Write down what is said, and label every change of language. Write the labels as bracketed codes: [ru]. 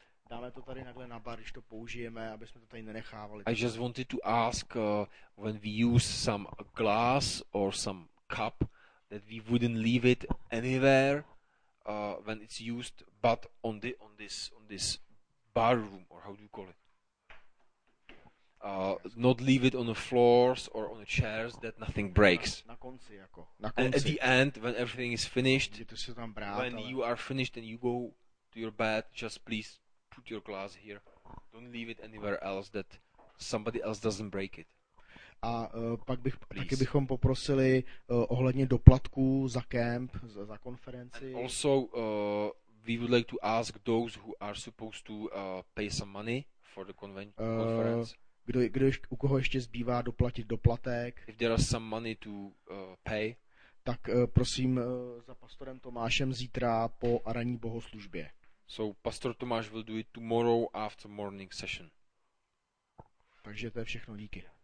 [cs] Dáme to tady takhle na bar, když to použijeme, aby jsme to tady nenechávali. [en] I just wanted to ask when we use some glass or some cup that we wouldn't leave it anywhere when it's used, but on this bar room, or how do you call it? Not leave it on the floors or on the chairs that nothing breaks. [cs] Na konci, jako. Na konci. [en] And at the end, when everything is finished, [cs] tam brát, [en] when [cs] ale... [en] you are finished and you go to your bed, just please put your glass here. Don't leave it anywhere else that somebody else doesn't break it. [cs] A pak bych, taky bychom poprosili ohledně doplatků za camp, za konferenci. [en] And also, we would like to ask those who are supposed to pay some money for the conference. [cs] U koho ještě zbývá doplatit doplatek, [en] if there are some money to, pay, [cs] tak prosím za pastorem Tomášem zítra po ranní bohoslužbě. [en] So pastor Tomáš will do it tomorrow after morning session. [cs] Takže to je všechno, díky.